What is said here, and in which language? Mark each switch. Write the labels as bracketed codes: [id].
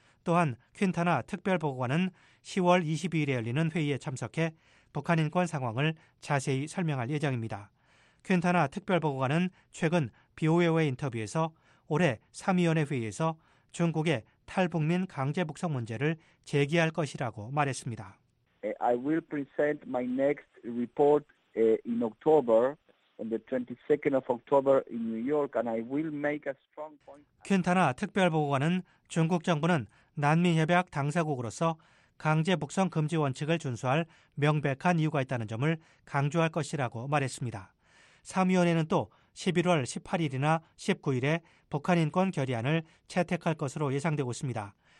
[ko] 또한 퀸타나 특별보고관은 10월 22일에 열리는 회의에 참석해 북한인권 상황을 자세히 설명할 예정입니다. 퀸타나 특별보고관은 최근 BOA와의 인터뷰에서 올해 3위원회 회의에서 중국의 탈북민 강제북송 문제를 제기할 것이라고 말했습니다. [en] I will present my next report in October. On the 22nd of October in New York, and I will make a strong point. [ko] 퀸타나 특별보고관은 중국 정부는 난민협약 당사국으로서 강제 북송 금지 원칙을 준수할 명백한 이유가 있다는 점을 강조할 것이라고 말했습니다. 3위원회는 또 11월 18일이나 19일에 북한 인권 결의안을 채택할 것으로 예상되고 있습니다.